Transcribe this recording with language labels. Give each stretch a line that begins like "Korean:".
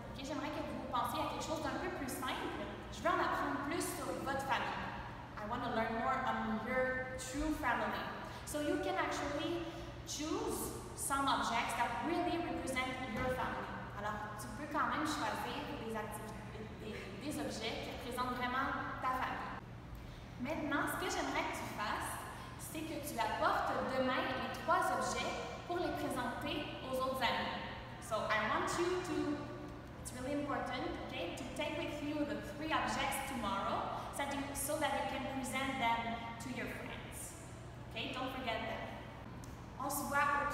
French: Okay, j'aimerais que vous pensiez à quelque chose d'un peu plus simple. Je veux en apprendre plus sur votre famille.
English: I want to learn more on your true family. So you can actually choose some objects that really represent your family.
French: Alors, tu peux quand même choisir des objets qui représentent vraiment ta famille. Maintenant, ce que j'aimerais que tu fasses, c'est que tu apportes demain les trois objets pour les présenter aux autres amis.
English: So I want you to, it's really important, okay, to take with you the three objects tomorrow so that you can present them to your friends. Okay, don't forget that.
French: On se voit.